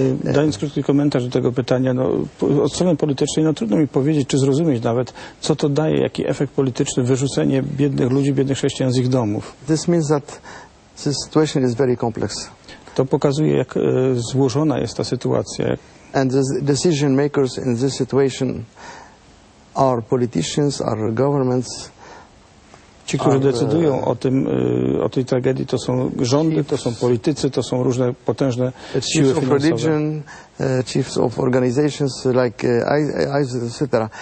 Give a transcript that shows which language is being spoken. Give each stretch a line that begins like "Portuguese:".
Polish: Dając krótki komentarz do tego pytania, no, od strony politycznej no, trudno mi powiedzieć, czy zrozumieć nawet, co to daje, jaki efekt polityczny, wyrzucenie biednych ludzi, biednych chrześcijan z ich domów.
English: This means that the situation is very complex.
Polish: To pokazuje, jak złożona jest ta sytuacja.
English: And the decision makers in this situation are politicians, are governments.
Polish: Ci, którzy decydują o tym, o tej tragedii, to są rządy, to są politycy, to są różne potężne siły finansowe.
English: Chiefs of religion, chiefs of organizations like ISIS, etc.